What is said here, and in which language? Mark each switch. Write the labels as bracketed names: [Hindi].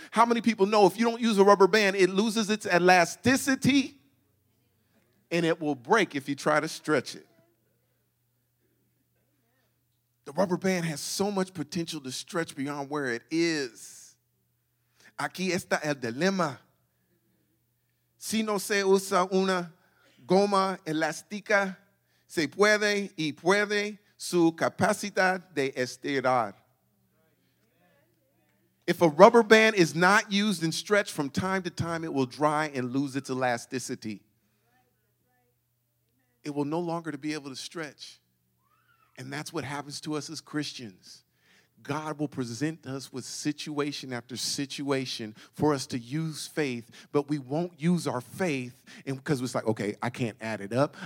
[English] How many people know if you don't use a rubber band, it loses its elasticity and it will break if you try to stretch it? The rubber band has so much potential to stretch beyond where it is. [Spanish] Aquí está el dilema. Si no se usa una goma elástica, se puede y puede su capacidad de estirar. [English] If a rubber band is not used and stretched from time to time, it will dry and lose its elasticity. It will no longer be able to stretch. And that's what happens to us as Christians. God will present us with situation after situation for us to use faith, but we won't use our faith because it's like, okay, I can't add it up.